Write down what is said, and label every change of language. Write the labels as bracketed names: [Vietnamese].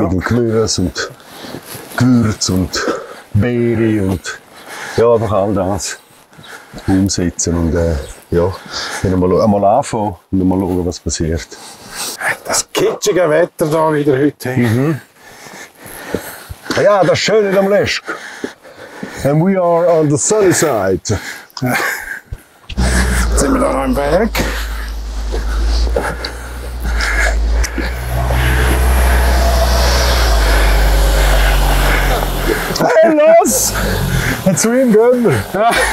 [German] mit dem Gemüse und Gewürz und Beere und ja, einfach all das umsetzen und ja, einmal anfangen und mal schauen, was passiert. Das kitschige Wetter da wieder heute. Ja, das Schöne am Lesch. [English] And we are on the sunny side. [German] Jetzt sind wir noch am Berg. Hey, los! Jetzt rein gehen wir. Ja.